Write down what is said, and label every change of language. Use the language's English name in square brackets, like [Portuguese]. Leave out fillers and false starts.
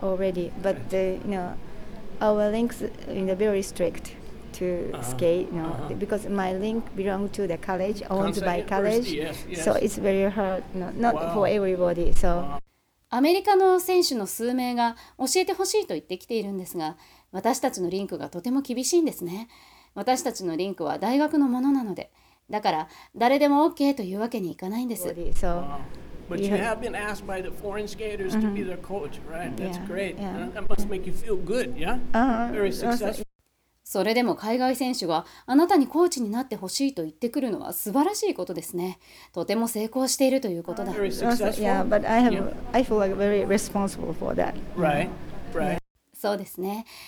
[English] Already, but you know, our links are very strict to skate. You know, because my link belong to the college owned by college, yes. So it's very hard. You know, not for everybody. So. [Japanese] アメリカの選手の数名が教えてほしいと言ってきているんですが、私たちのリンクがとても厳しいんですね。私たちのリンクは大学のものなので、だから誰でも OK というわけにいかないんです。そう、 [English] But you have been asked by the foreign skaters to be their coach, right? That's great. Yeah. That must make you feel good, yeah? Very successful. [Japanese] それでも海外選手があなたにコーチになってほしいと言ってくるのは素晴らしいことですね。とても成功しているということだ。そうですね。